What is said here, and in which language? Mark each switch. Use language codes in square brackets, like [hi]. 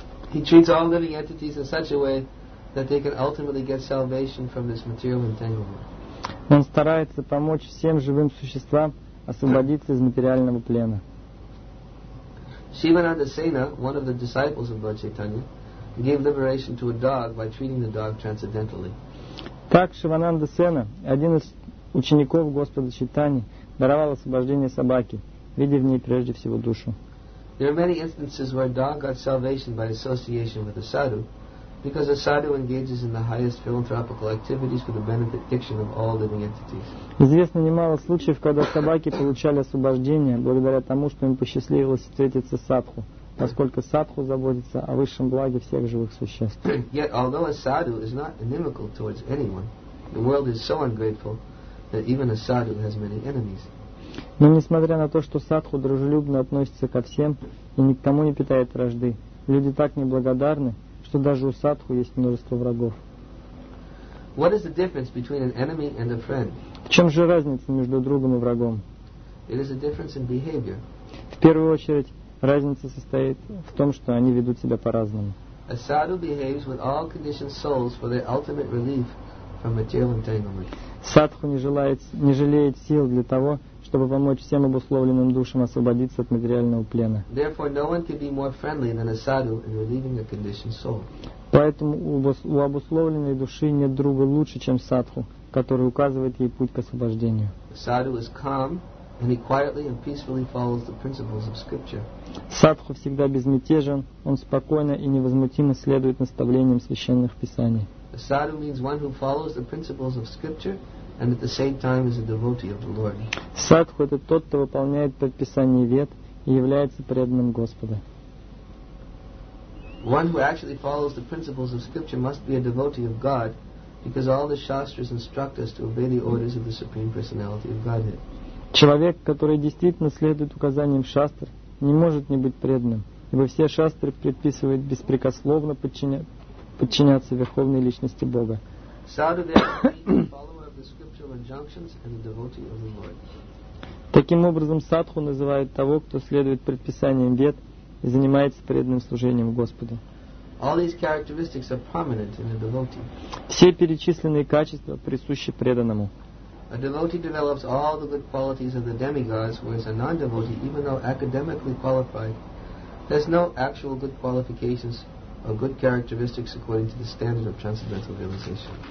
[en] He treats all living entities in such a way that they can ultimately get salvation from this material entanglement. [ru] Он старается помочь всем живым существам освободиться из материального плена. [en] Shivananda Sena, one of the disciples of Lord Chaitanya, gave liberation to a dog by treating the dog transcendentally. [ru] Так Шивананда Сена, один из учеников Господа Чайтаньи, даровал освобождение собаке, видя в ней прежде всего душу. [en] There are many instances where a dog got salvation by association with a sadhu, because a sadhu engages in the highest philanthropical activities for the benediction of all living entities. [ru] Известно немало случаев, когда собаки получали освобождение благодаря тому, что им посчастливилось встретиться с садху, поскольку садху заботится о высшем благе всех живых существ. [en] Yet although a sadhu is not inimical towards anyone, the world is so ungrateful that even a sadhu has many enemies. [ru] Но несмотря на то, что садху дружелюбно относится ко всем и никому не питает вражды, люди так неблагодарны, что даже у садху есть множество врагов. [en] What is the difference between an enemy and a friend? [ru] В чем же разница между другом и врагом? [en] It is a difference in behavior. [ru] В первую очередь, разница состоит в том, что они ведут себя по-разному. [en] A sadhu behaves with all conditioned souls for their ultimate relief from material entanglement. [ru] Садху не жалеет сил для того, чтобы помочь всем обусловленным душам освободиться от материального плена. [en] Therefore, no one can be more friendly than a sadhu in relieving a conditioned soul. [ru] Поэтому у обусловленной души нет друга лучше, чем садху, который указывает ей путь к освобождению. [en] Sadhu is calm, and he quietly and peacefully follows the principles of scripture. [ru] Садху всегда безмятежен, он спокойно и невозмутимо следует наставлениям священных писаний. [en] A sadhu means one who follows the principles of scripture, and at the same time is a devotee of the Lord. [ru] Садху — это тот, кто выполняет предписание вед и является преданным Господа. [en] One who actually follows the principles of scripture must be a devotee of God, because all the shastras instruct us to obey the orders of the Supreme Personality of Godhead. [ru] Человек, который действительно следует указаниям шастр, не может не быть преданным, ибо все шастры предписывают беспрекословно подчиняться Верховной Личности Бога. [en] Sadhu, therefore, follower of the scriptural injunctions and a devotee of the Lord. [ru] Таким образом, садху называют того, кто следует предписаниям вед и занимается преданным служением Господу. [en] All these characteristics are prominent in a devotee. [ru] Все перечисленные качества присущи преданному. [en] A devotee develops all the good qualities of the demigods, whereas a non-devotee, even though academically qualified, has no actual good qualifications or good characteristics according to the standard of transcendental realization.